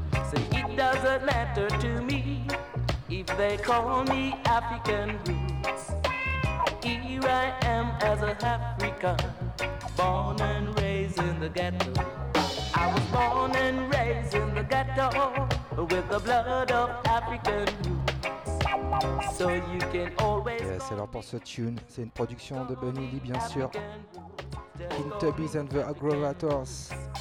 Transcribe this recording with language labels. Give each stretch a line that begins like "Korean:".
English: Say it doesn't matter to me if they call me African roots. Here I am as an African, born and raised in the ghetto. I was born and raised in the ghetto with the blood of African roots. So you can always.
French: Yes, c'est alors pour ce tune, c'est une production de Bunny Lee, bien sûr. King Tubbies and the Aggravators.